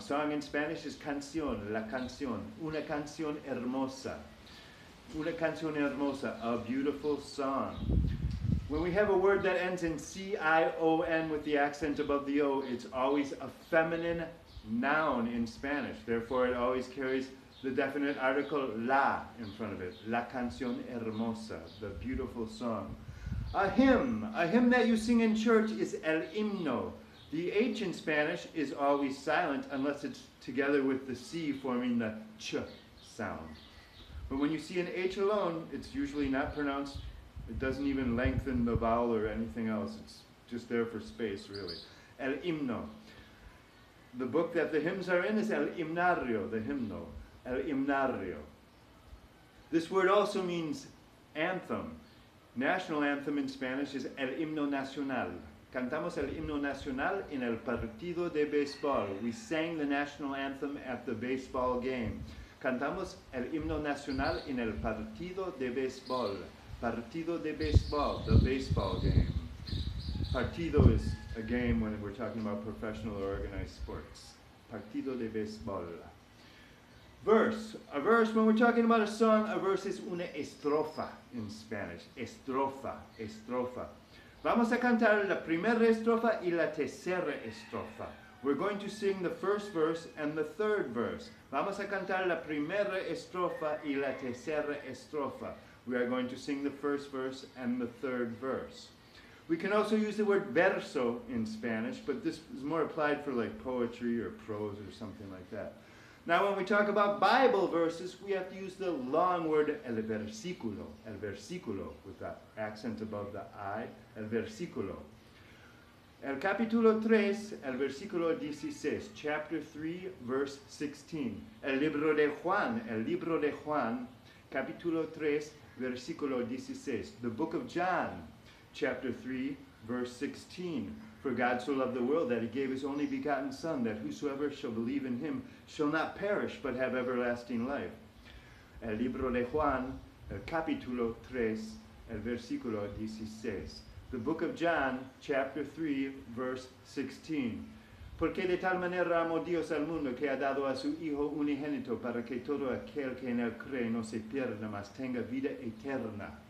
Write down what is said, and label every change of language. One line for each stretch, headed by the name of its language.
English: Song in Spanish is
Spanish: canción, la canción, una canción hermosa. Una canción hermosa,
English: a beautiful song. When we have a word that ends in C-I-O-N with the accent above the O, it's always a feminine noun in Spanish. Therefore, it always carries the definite article la in front of it.
Spanish: La canción hermosa,
English: the beautiful song. A hymn that you sing in church is el himno. The H in Spanish is always silent unless it's together with the C forming the ch sound. But when you see an H alone, it's usually not pronounced. It doesn't even lengthen the vowel or anything else. It's just there for space, really. El himno. The book that the hymns are in is el himnario, the hymno. El himnario. This word also means anthem. National anthem in Spanish is el himno nacional.
Spanish: Cantamos el himno nacional en el partido de béisbol.
English: We sang the national anthem at the baseball game.
Spanish: Cantamos el himno nacional en el partido de béisbol.
English: Partido de béisbol, the baseball game. Partido is a game when we're talking about professional or organized sports. Partido de béisbol. Verse. A verse, when we're talking about a song, a verse is una estrofa in Spanish.
Spanish: Estrofa, estrofa. Vamos a cantar la primera estrofa y la tercera estrofa.
English: We're going to sing the first verse and the third verse.
Spanish: Vamos a cantar la primera estrofa y la tercera estrofa.
English: We are going to sing the first verse and the third verse. We can also use the word verso in Spanish, but this is more applied for like poetry or prose or something like that. Now when we talk about Bible verses, we have to use the long word el versículo with the accent above the I, el versículo.
Spanish: El capítulo 3, el versículo 16,
English: chapter 3, verse 16.
Spanish: El libro de Juan, capítulo 3, versículo 16.
English: The book of John, chapter 3, verse 16. For God so loved the world that he gave his only begotten Son, that whosoever shall believe in him shall not perish, but have everlasting life.
Spanish: El libro de Juan, el capítulo 3, el versículo 16.
English: The book of John, chapter 3, verse 16.
Spanish: Porque de tal manera amó Dios al mundo que ha dado a su Hijo unigénito para que todo aquel que en él cree no se pierda, mas tenga vida eterna.